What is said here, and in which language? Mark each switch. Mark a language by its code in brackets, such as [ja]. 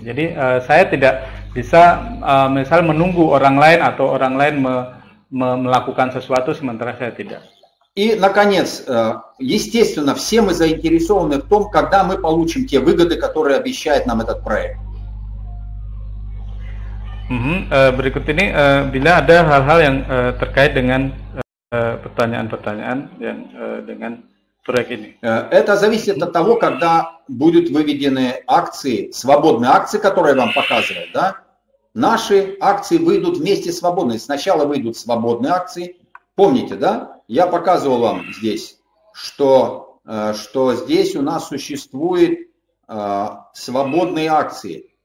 [id] Jadi saya tidak bisa misal menunggu orang lain atau orang lain melakukan sesuatu sementara saya tidak. [ru] И наконец, естественно, все мы заинтересованы в том, когда мы получим те выгоды, которые обещает нам этот проект. [id] Berikut ini bila ada hal-hal yang terkait dengan pertanyaan-pertanyaan yang dengan proyek ini. [ru] Это зависит от того, когда будут выведены акции, свободные акции, которые вам показывают, да? Наши акции выйдут вместе свободные. Сначала выйдут свободные акции. Помните, да? Я показывал вам здесь, что здесь у нас существует свободные акции.